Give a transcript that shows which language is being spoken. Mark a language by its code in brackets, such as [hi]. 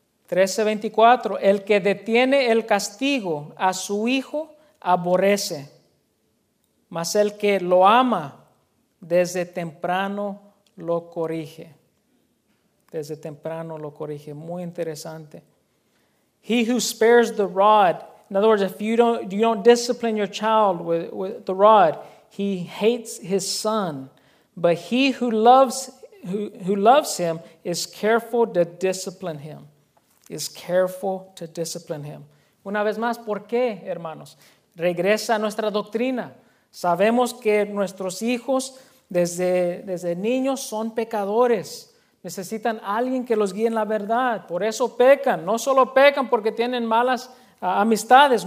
[es] 13:24, el que detiene el castigo a su hijo aborrece, mas el que lo ama desde temprano lo corrige. Desde temprano lo corrige. Muy interesante. [en] He who spares the rod. In other words, if you don't discipline your child with the rod, he hates his son. But he who loves him is careful to discipline him. Is careful to discipline him. [es] Una vez más, ¿por qué, hermanos? Regresa a nuestra doctrina. Sabemos que nuestros hijos, Desde niños, son pecadores. Necesitan alguien que los guíe en la verdad. Por eso pecan. No solo pecan porque tienen malas amistades.